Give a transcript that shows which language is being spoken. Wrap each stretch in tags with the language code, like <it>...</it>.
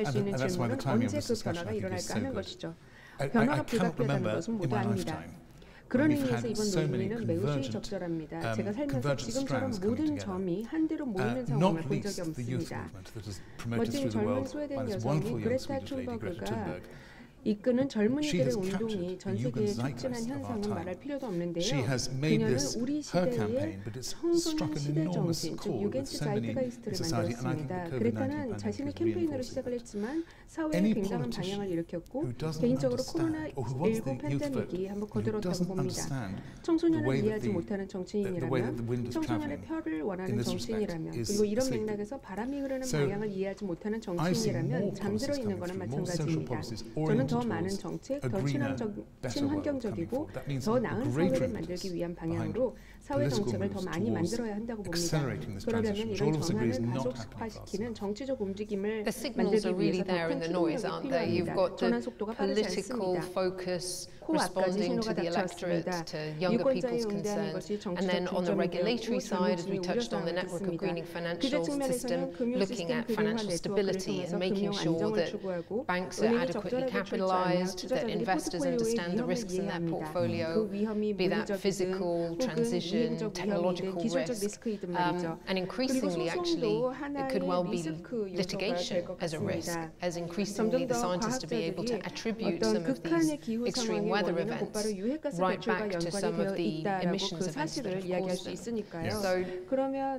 <en>And that's why the timing of this discussion, I think, is so good. I cannot remember in my lifetime. When we've had so many convergent strands coming together, not least the youth movement that has promoted through the world by this wonderful young Swedish lady, Greta Thunberg.</en> <ko>이끄는 젊은이들의 운동이 전 세계에 촉진한 현상은 말할 필요도 없는데요. 그녀는 우리 시대의 청소년 시대정신, 즉 유겐트 자이트가이스트를 만들었습니다. 그레타는 자신의 캠페인으로 시작을 했지만 사회에 굉장한 방향을 일으켰고 개인적으로 코로나19 팬데믹이 한번 거들었다고 봅니다. 청소년을 이해하지 못하는 정치인이라면 청소년의 표를 원하는 정치인이라면 그리고 이런 맥락에서 바람이 흐르는 방향을 이해하지 못하는 정치인이라면 잠들어 있는 거는 마찬가지입니다. 더 많은 정책, 더 친환경적이고 더 나은 사회를 만들기 위한 방향으로 사회 정책을 더 많이 만들어야 한다고 봅니다. 그러려면 이런 전환을 가속화시키는 정치적 움직임을 만들기 위해서 더 큰 조직이 필요합니다. 전환 속도가 빠르지 않습니다.</ko> <en>Responding to the electorate, to younger people's concerns, and then on the regulatory side, as we touched on, the network of greening financial system, looking at financial stability and making sure that banks are adequately capitalized, that investors understand the risks in their portfolio, be that physical transition, technological risk, and increasingly, actually, it could well be litigation as a risk, as increasingly the scientists are being able to attribute some of these extreme weather events right back to some of the emissions events that have caused them. Yes.</en>